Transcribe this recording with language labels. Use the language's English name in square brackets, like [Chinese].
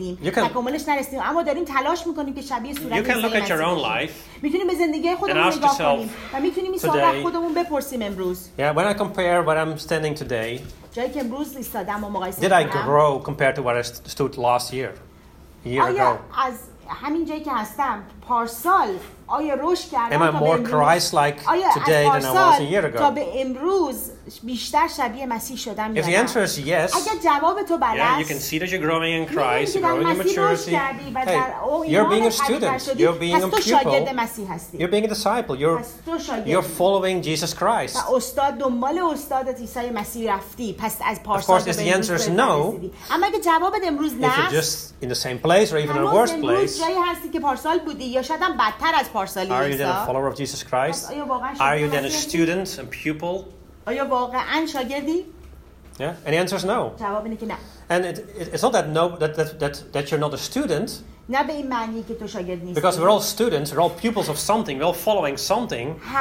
[English] You can look at your own life and ask yourself today, yeah, when I compare where I'm standing today, did I grow compared to where I stood last year? A year ago. [Persian] همین جایی که هستم پارسال آیا رشد کردم؟ [English] Am I more Christ-like today than I was a year ago؟ [Persian] تا به امروز بیشتر شبیه مسیح شدم؟ [English] If the answer is yes، [Persian] اگر جواب تو بله، [English] you can see that you're growing in Christ، you're growing in maturity. Hey، you're being a student، you're being a pupil، you're being a disciple، you're following Jesus Christ. [Persian] و استاد دنبال استاد عیسی مسیح رفتی، پس از پارسال. [English] Of course, if the answer is no، [Persian] اما اگر جواب امروز نه، [English] if you're just in the same place or even a worse place، [Persian] جایی هستی که پارسال بودی یا شاید هم بدتر. [English] Are you then a follower of Jesus Christ? Are you then a student, a pupil? Yeah. And the answer is no. And it's not that no that you're not a student. Because we're all students, we're all pupils of something, we're all following something.